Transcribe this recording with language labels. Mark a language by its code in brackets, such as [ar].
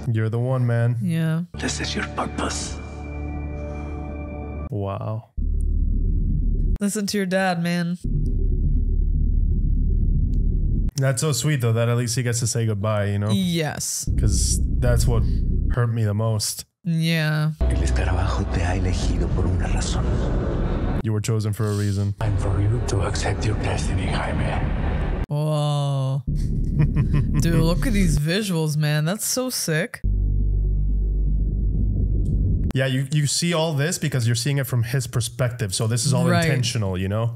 [en] You're the one, man. Yeah. This is your purpose. Wow. Listen to your dad, man. That's so sweet, though, that at least he gets to say goodbye, you know? Yes. Because that's what hurt me the most. Yeah. [es] El escarabajo te ha elegido por una razón. [en] You were chosen for a reason. Time for you to accept your destiny, Jaime. Whoa. Dude, look at these visuals, man. That's so sick. Yeah, you see all this because you're seeing it from his perspective. So this is all right. Intentional, you know?